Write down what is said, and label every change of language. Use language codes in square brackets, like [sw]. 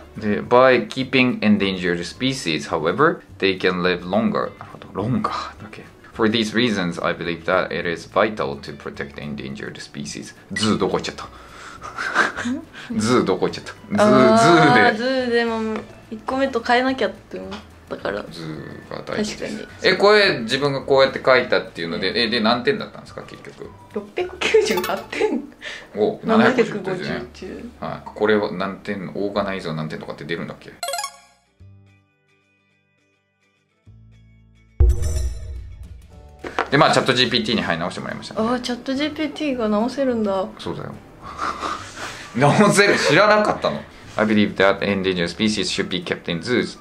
[en] で、by keeping endangered species, however, they can live longer。 [ja] なるほど、longer だっけ。 [en] For these reasons, I believe that it is vital to protect endangered species. [ja] ズーどこ行っちゃった。ズーどこ行っちゃった。ズーズーで。ああ、ズーでも一個目と変えなきゃって思ったから。ズーが大事です。確かに。え、これ自分がこうやって書いたっていうので、で何点だったんですか結局。 698点。お、750点。はい。これは何点、オーガナイズは何点とかって出るんだっけ。でまあチャット GPT に入り直してもらいました、ね、あーチャット GPT が直せるんだ。そうだよ直せる、知らなかったの。 [en] I believe that endangered species should be kept in zoos.